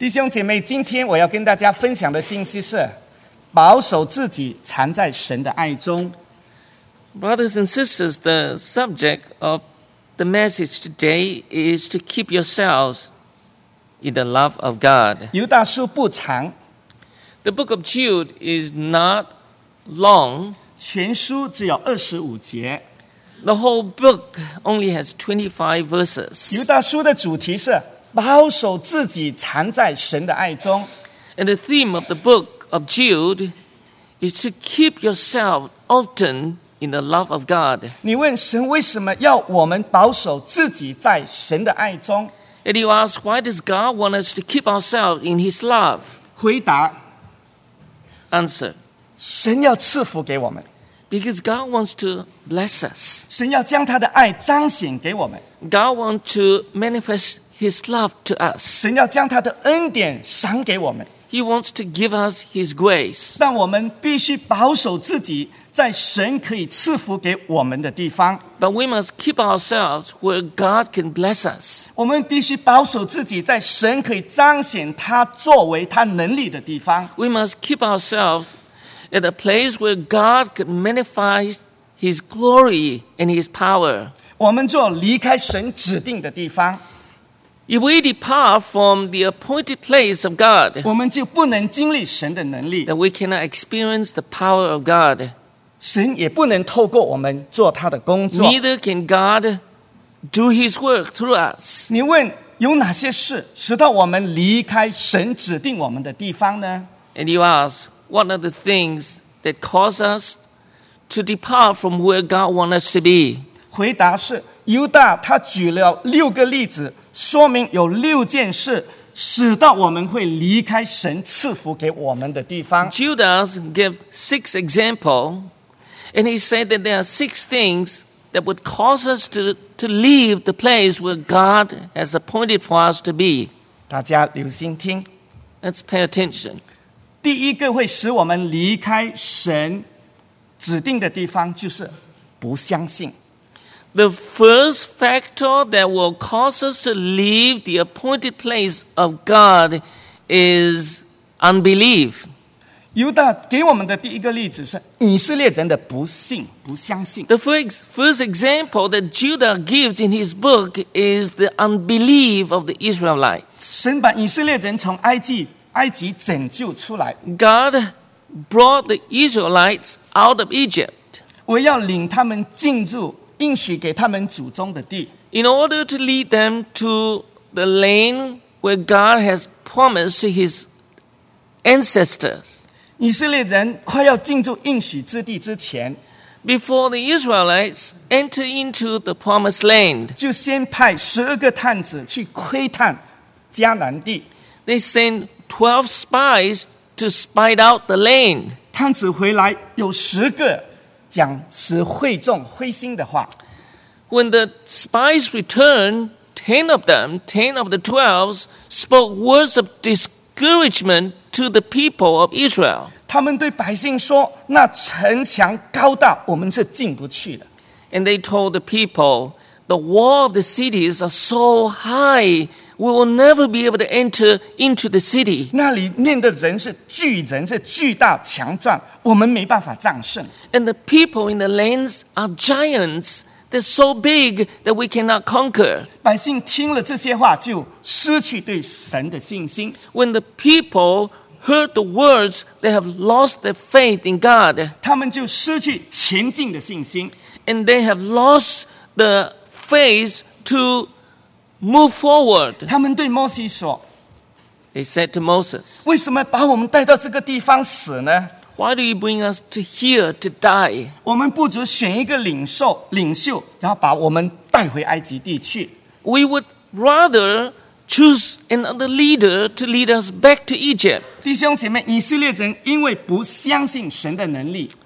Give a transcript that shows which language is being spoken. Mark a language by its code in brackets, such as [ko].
[zh] 姐妹，今天我要跟大家分享的信息是保守自己藏在神的爱中。 [en] Brothers and sisters, the subject of the message today is to keep yourselves in the love of God. [zh] 犹大书不长， [en] The book of Jude is not long. [zh] 全书只有25节， [en] The whole book only has 25 verses. [zh] 犹大书的主题是保守自己藏在神的爱中。 [en] And the theme of the book of Jude is to keep yourself often in the love of God. [zh] 你问神为什么要我们保守自己在神的爱中？ [en] And you ask, why does God want us to keep ourselves in His love? [zh] 回答， [en] Answer, [zh] 神要赐福给我们。 [en] Because God wants to bless us. [zh] 神要将他的爱彰显给我们。 [en] God wants to manifest His love to us. [zh] 神要将他的恩典赏给我们。 [en] He wants to give us His grace. [zh] 但我们必须保守自己在神可以赐福给我们的地方。 [en] But we must keep ourselves where God can bless us. [zh] 我们必须保守自己在神可以彰显他作为他能力的地方。 [en] We must keep ourselves at a place where God can manifest His glory and His power. [zh] 我们就离开神指定的地方。 [en] If we depart from the appointed place of God, [zh] 我们就不能经历神的能力。 [en] Then we cannot experience the power of God. [zh] 神也不能透过我们做他的工作。 [en] Neither can God do His work through us. [zh] 你问有哪些事使到我们离开神指定我们的地方呢？ [en] And you ask, what are the things that cause us to depart from where God wants us to be? [zh] 回答是，犹大他举了六个例子，说明有六件事使到我们会离开神赐福给我们的地方。 [en] Judas gave six examples, and he said that there are six things that would cause us to leave the place where God has appointed for us to be. [zh] 大家留心听。 [en] Let's pay attention. [zh] 第一个会使我们离开神指定的地方就是不相信。 [en] The first factor that will cause us to leave the appointed place of God is unbelief. [zh] 犹大给我们的第一个例子是以色列人的不信，不相信。 [en] The first example that Judah gives in his book is the unbelief of the Israelites. [zh] 神把以色列人从埃及拯救出来。 [en] God brought the Israelites out of Egypt. [zh] 我要领他们进入应许给他们祖宗的地。 [en] In order to lead them to the land where God has promised to his ancestors. [zh] 以色列人快要进入应许之地之前 [en] ，Before the Israelites enter into the promised land， [zh] 就先派十二个探子去窥探迦南地。 [en] They send 12 spies to spy out the land。 [zh] 探子回来有十个讲使会众灰心的话。 [en] When the spies returned, ten of the twelve, spoke words of discouragement to the people of Israel. [zh] 他们对百姓说：“那城墙高大，我们是进不去的。” [en] And they told the people, "The wall of the cities are so high, we will never be able to enter into the city." [zh] 那里面的人是巨人，是巨大强壮，我们没办法战胜。 [en] And the people in the lands are giants; they're so big that we cannot conquer. [zh] 百姓听了这些话，就失去对神的信心。 [en] When the people heard the words, they have lost their faith in God. [zh] 他们就失去前进的信心。 [en] And they have lost the faith to move forward. [zh] 他们对摩西说， [en] They said to Moses, [zh] 为什么把我们带到这个地方死呢？ [en] Why do you bring us to here to die? [zh] 我们不如选一个领袖，然后把我们带回埃及地去。 [en] We would rather choose another leader to lead us back to Egypt. [zh] 弟兄姐妹，以色列人因为不相信神的能力。